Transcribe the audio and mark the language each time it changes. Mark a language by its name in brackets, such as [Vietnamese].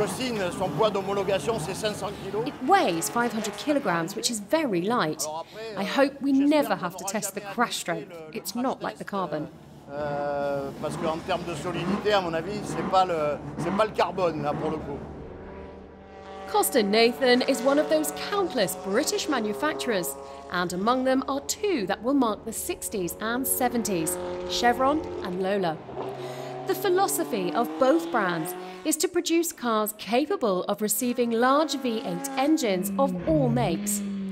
[English] It weighs 500 kilograms, which is very light. I hope we never have to test the crash strength. It's not like the carbon. [French] Parce qu'en termes de solidité, à mon avis, c'est pas le carbone là pour le coup. [English] Costin Nathan is one of those countless British manufacturers, and among them are two that will mark the 60s and 70s, Chevron and Lola. The philosophy of both brands is to produce cars capable of receiving large V8 engines of all makes.